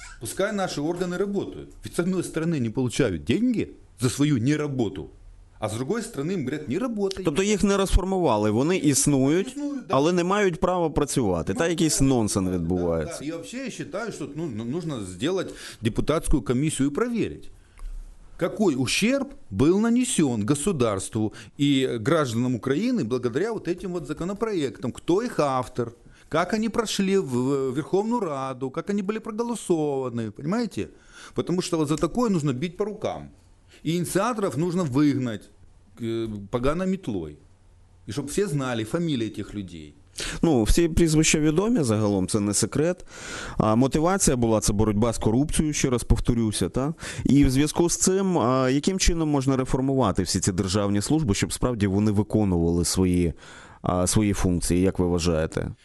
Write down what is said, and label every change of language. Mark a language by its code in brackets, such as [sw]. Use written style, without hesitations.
[ru] Пускай наши органы работают. Ведь с одной стороны не получают деньги за свою неработу, [uk] А з другої сторони, МРЕД не працює. Тобто їх не розформували, вони існують, да, але не мають права працювати. Ну, та якийсь нонсенс відбувається. [ru] Да, да. [uk] Я взагалі вважаю, що ну, [ru] нужно сделать [uk] депутатську комісію і [ru] проверить. Какой ущерб был нанесен государству и гражданам Украины благодаря вот этим вот законопроектам? Кто их автор? Как они прошли в Верховную Раду? Как они были проголосованы? Понимаете? Потому что вот за такое нужно бить по рукам. И инициаторов нужно выгнать поганой метлой. И чтобы все знали фамилии этих людей. [uk] Ну, всі прізвища відомі загалом, це не секрет. А мотивація була це боротьба з корупцією, ще раз повторюся, та? І в зв'язку з цим, яким чином можна реформувати всі ці державні служби, щоб справді вони виконували свої функції, як ви вважаєте?